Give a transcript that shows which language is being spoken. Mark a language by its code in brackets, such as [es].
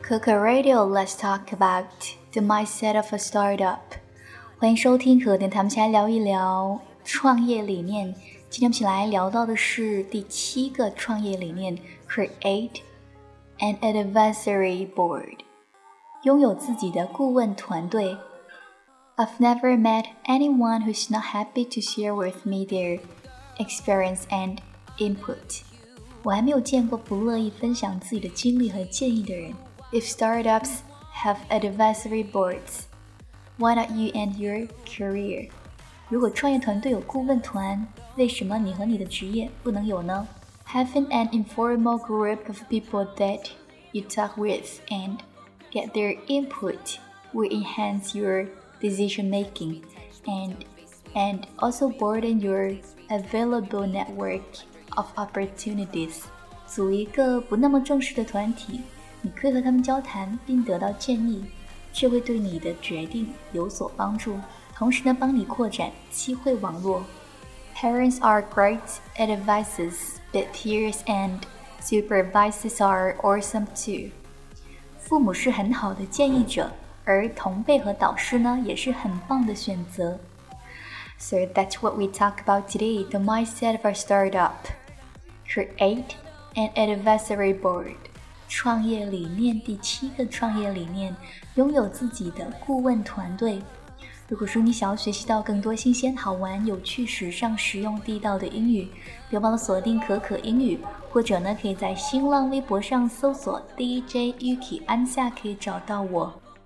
[en] Kuka Radio, let's talk about the mindset of a startup. [zh] 欢迎收听和电台们起来聊一聊创业理念。今天我们起来聊到的是第七个创业理念 , [en] Create an advisory board. [zh] 拥有自己的顾问团队。 [en] I've never met anyone who's not happy to share with me their experience and input. [zh] 我还没有见过不乐意分享自己的经历和建议的人。 [en] If startups have advisory boards, why not you and your career? [zh] 如果创业团队有顾问团，为什么你和你的职业不能有呢？ [en] Having an informal group of people that you talk with and get their input will enhance your decision making and also broaden your available network of opportunities. [zh] 组一个不那么正式的团体，你可以和他们交谈并得到建议，这会对你的决定有所帮助，同时呢帮你扩展机会网络。 [en] Parents are great advisors, but peers and supervisors are awesome too. [zh] 父母是很好的建议者，而同辈和导师呢也是很棒的选择。 [en] So that's what we talk about today, the mindset of a startup. Create an advisory board. [zh] 创业理念，第七个创业理念，拥有自己的顾问团队。如果说你想要学习到更多新鲜、好玩、有趣、时尚、实用、地道的英语，别忘了锁定可可英语，或者呢，可以在新浪微博上搜索 DJ Yuki 安夏，可以找到我。